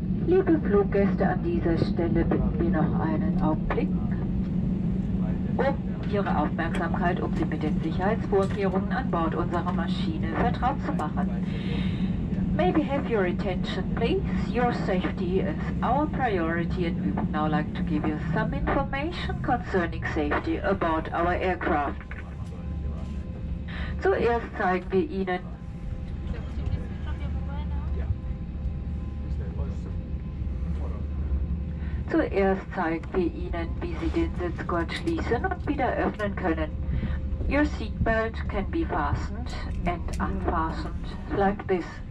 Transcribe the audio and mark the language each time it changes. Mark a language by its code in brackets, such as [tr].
[de] Liebe Fluggäste, an dieser Stelle bitten wir noch einen Augenblick um Ihre Aufmerksamkeit, um Sie mit den Sicherheitsvorkehrungen an Bord unserer Maschine vertraut zu machen. [en] Maybe have your attention, please. Your safety is our priority and we would now like to give you some information concerning safety about our aircraft. [de] Zuerst zeigen wir Ihnen wie Sie den Sitzgurt schließen und wieder öffnen können. [en] Your seatbelt can be fastened and unfastened like this.